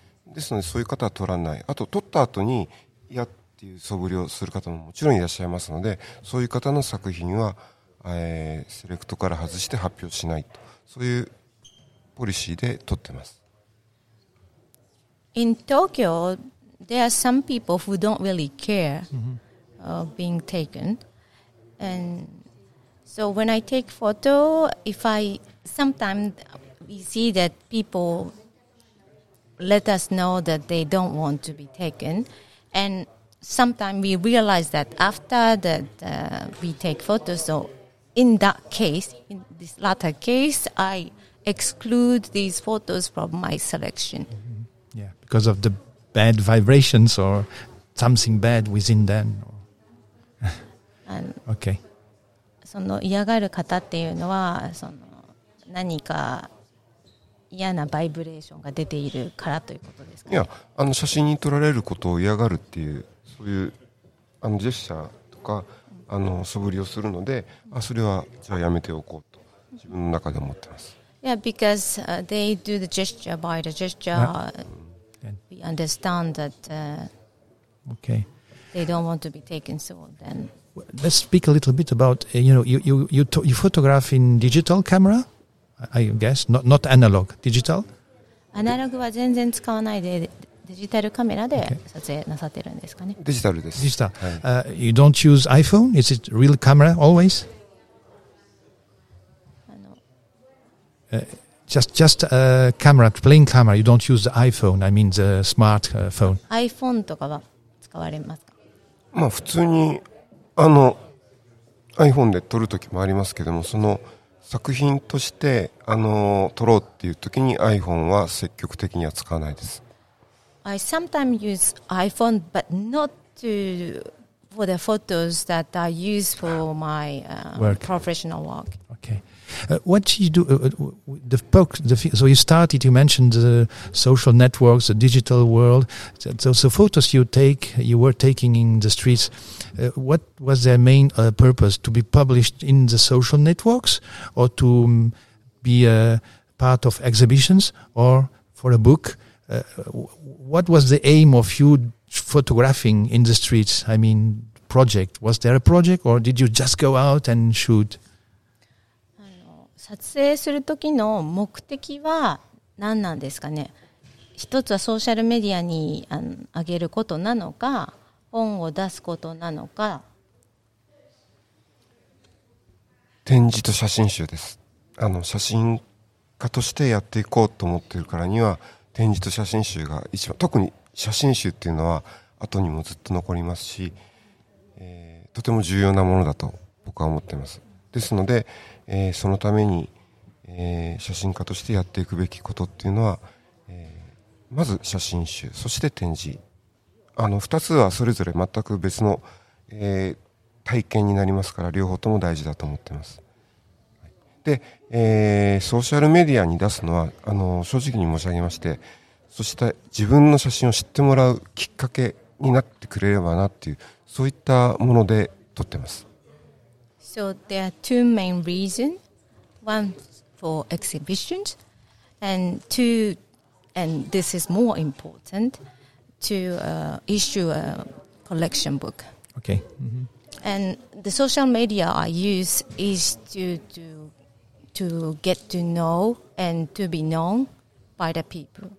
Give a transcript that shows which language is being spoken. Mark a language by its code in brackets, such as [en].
[ja] ですので、そういう方は撮らない。あと撮った後に嫌っていう素振りをする方ももちろんいらっしゃいますので、そういう方の作品は、セレクトから外して発表しないと、そういうポリシーで撮ってます。 [en] In Tokyo there are some people who don't really care、mm-hmm. of being taken, and so when I take photo, sometimes we see that people let us know that they don't want to be taken, and sometimes we realize that after that we take photos, so in that case, in this latter case, I exclude these photos from my selection. Mm-hmm. Yeah, because of the bad vibrations or something bad within them. Okay. [ja] その嫌がる方っていうのはその何か嫌なバイブレーションが出ているからということですか、ね、いやあの写真に撮られることを嫌がるっていうそういうあのジェスチャーとかあの素振りをするので、うん、あそれはじゃあやめておこうと自分の中で思ってます [en] Yeah, because、they do the gesture by the gesture、yeah. We understand that、 okay. They don't want to be taken so then Let's speak a little bit about, you know, you photograph in digital camera, I guess, not analog, digital? [ja] Analog は全然使わないで、デジタルカメラで撮影なさってるんですかね。デジタルです。 [en] デジタル。You don't use iPhone? Is it real camera always? Just a camera, plain camera, you don't use the iPhone, I mean the smartphone. [ja] iPhone とかは使われますか? まあ普通に…あの iPhone で撮るときもありますけどもその作品としてあの撮ろうっていうときに iPhone は積極的には使わないです [en] I sometimes use iPhone but not to for the photos that I use for my professional work Okay. What you do the book the, so you started you mentioned the social networks the digital world so the photos you take you were taking in the streets what was their main purpose to be published in the social networks or to be a part of exhibitions or for a book what was the aim of you photographing in the streets I mean project was there a project or did you just go out and shoot [ja] 撮影する時の目的は何なんですかね一つはソーシャルメディアにあげることなのか本を出すことなのか展示と写真集ですあの写真家としてやっていこうと思っているからには展示と写真集が一番特に写真集っていうのは後にもずっと残りますし、とても重要なものだと僕は思っていますですので、そのために、写真家としてやっていくべきことっていうのは、まず写真集そして展示あの2つはそれぞれ全く別の、体験になりますから両方とも大事だと思ってますで、ソーシャルメディアに出すのはあの正直に申し上げましてそして自分の写真を知ってもらうきっかけになってくれればなっていうそういったもので撮ってます [en] So there are two main reasons, one for exhibitions, and two, and this is more important, to issue a collection book. Okay. Mm-hmm. And the social media I use is to get to know and to be known by the people.